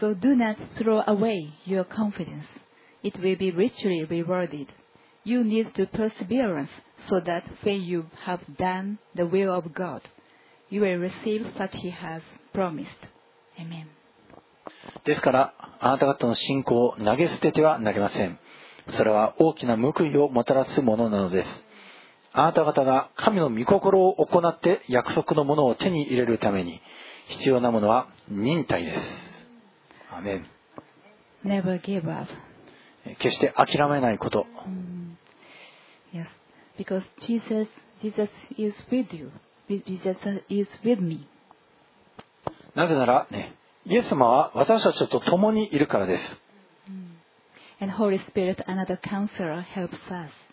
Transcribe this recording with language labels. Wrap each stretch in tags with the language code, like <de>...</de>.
<en>So do not throw away your confidence. It will be richly rewarded. You need to perseverance so that when you have done the will of God, you will receive what He has promised. Amen.</en> <ja>ですから、あなた方の信仰を投げ捨ててはなりません。それは大きな報いをもたらすものなのです。あなた方が神の御心を行って約束のものを手に入れるために必要なものは忍耐です。アメン。</ja> <en>Never give up.</en> <ja>決して諦めないこと。</ja> <en>Yes, because Jesus is with you. Jesus is with me.</en> <ja>なぜなら、ね、イエス様は私たちと共にいるからです。</ja> <en>And Holy Spirit, another counselor, helps us.</en>